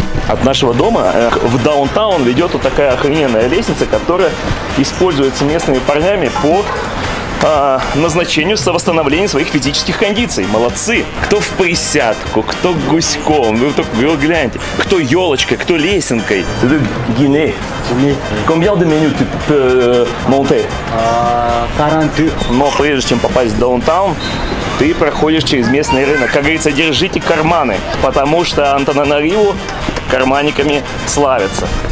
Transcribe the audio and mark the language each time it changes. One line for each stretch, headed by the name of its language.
Russian: От нашего дома в даунтаун ведет вот такая охрененная лестница, которая используется местными парнями по назначению со восстановлением своих физических кондиций. Молодцы! Кто в присядку, кто гуськом, вы только гляньте, кто елочкой, кто лесенкой. Это Гине.
French: Combien de minutes tu peux monter? 42.
Russian: Но прежде чем попасть в даунтаун, ты проходишь через местный рынок. Как говорится, держите карманы, потому что Антананариву карманниками славятся.